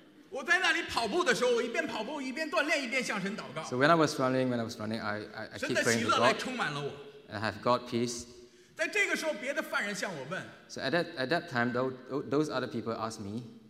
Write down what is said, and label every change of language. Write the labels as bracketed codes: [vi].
[zh] 我在那里跑步的时候，我一边跑步一边锻炼，一边向神祷告。 [en] So when I was running, I keep praying to God. And I have God peace. [zh] 在这个时候，别的犯人向我问。 [en] So at that time, those other people asked me.